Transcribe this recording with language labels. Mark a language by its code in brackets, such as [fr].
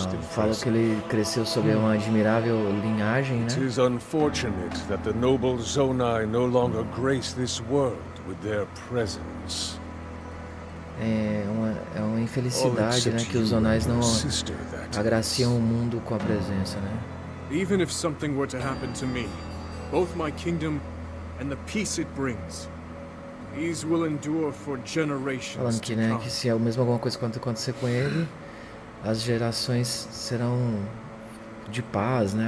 [pt] Fala que ele cresceu sob uma admirável linhagem, né? [en] It is unfortunate that the noble Zonai no longer grace this world with their presence. [pt] É uma infelicidade, né, que os Zonais não agraciam o mundo com a presença, né? [en] Even if something were to happen to me, both my kingdom and the peace it brings, these will endure for generations. [pt] Falando que, né, que se é o mesmo alguma coisa quanto acontecer com ele, as gerações serão de paz, né?